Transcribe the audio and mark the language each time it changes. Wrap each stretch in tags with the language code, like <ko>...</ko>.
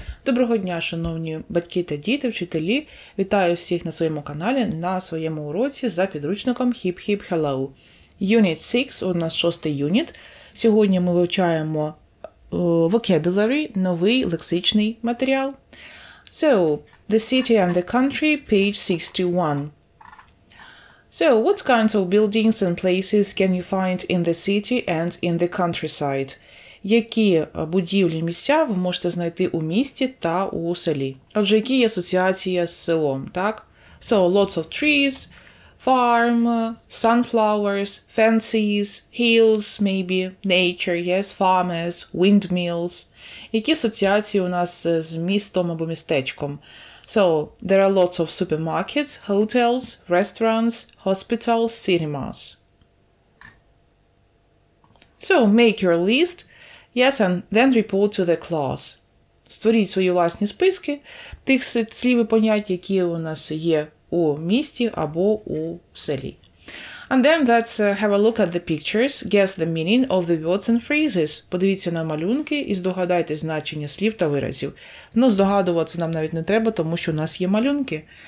<uk>Доброго дня, шановні батьки та діти, вчителі. Вітаю всіх на своєму каналі, на своєму уроці за підручником Hip Hip Hello. Unit 6, у нас шостий юніт. Сьогодні ми вивчаємо vocabulary, новий лексичний матеріал.</uk> <en>So, the city and the country, page 61. So, what kinds of buildings and places can you find in the city and in the countryside?</en> <uk>Які будівлі місця ви можете знайти у місті та у селі? Отже, які є асоціації з селом, так?</uk> <en>So, lots of trees, farm, sunflowers, fences, hills, maybe, nature, yes, farmers, windmills.</en> <uk>Які асоціації у нас з містом або містечком?</uk> <en>So, there are lots of supermarkets, hotels, restaurants, hospitals, cinemas. So, make your list, yes, and then report to the class.</en> <uk>Створіть свої власні списки тих слів і понять, які у нас є у місті або у селі.</uk> <en>And then let's have a look at the pictures, guess the meaning of the words and phrases.</en> <uk>Подивіться на малюнки і здогадайте значення слів та виразів. Ну, здогадуватися нам навіть не треба, тому що у нас є малюнки.</uk>